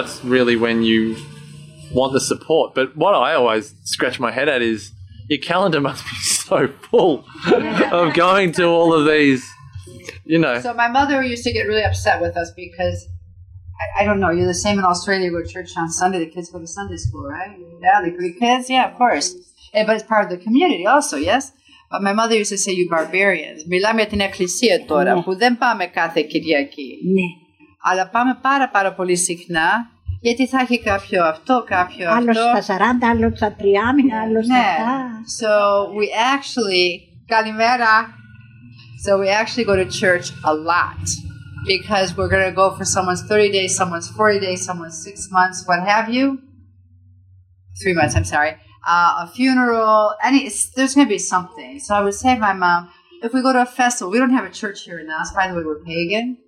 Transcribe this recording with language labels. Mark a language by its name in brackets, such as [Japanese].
[English] That's really when you want the support. But what I always scratch my head at is your calendar must be so full of going to all of these, you know. So my mother used to get really upset with us because, I don't know, you're the same in Australia, you go to church on Sunday, the kids go to Sunday school, right? Yeah, the Greek kids, yeah, of course. Yeah, but it's part of the community also, yes? But my mother used to say, you barbarians. [Greek] Μιλάμε για την εκκλησία τώρα, που δεν πάμε κάθε Κυριακή. Ναι. Αλλά πάμε πάρα πάρα πολύ συχνά. Γιατί θα έχει κάποιο αυτό, κάποιο αυτό. Άλλος στα 40, άλλος στα 30, άλλος στα 40. [English] So we actually, καλημέρα. So we actually go to church a lot because we're going to go for someone's 30 days, someone's 40 days, someone's 6 months, what have you. 3 months, I'm sorry. A funeral, there's going to be something. So I would say to my mom, if we go to a festival, we don't have a church here in Oz, by the way, we're pagan.